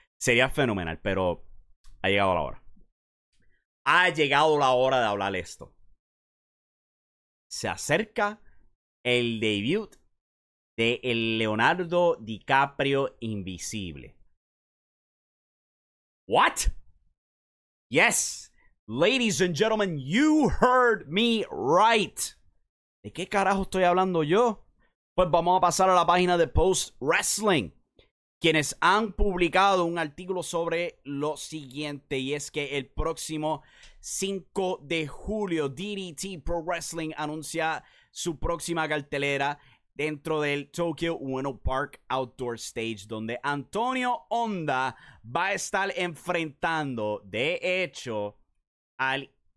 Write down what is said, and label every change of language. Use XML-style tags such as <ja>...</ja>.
<es>Sería fenomenal, pero ha llegado la hora. Ha llegado la hora de hablar esto. Se acerca el debut de el Leonardo DiCaprio invisible.</es> <en>What? Yes, ladies and gentlemen, you heard me right.</en> <es>¿De qué carajo estoy hablando yo? Pues vamos a pasar a la página de Post Wrestling, quienes han publicado un artículo sobre lo siguiente, y es que el próximo 5 de julio, DDT Pro Wrestling anuncia su próxima cartelera dentro del Tokyo Ueno Park Outdoor Stage, donde Antonio Honda va a estar enfrentando, de hecho, al</es>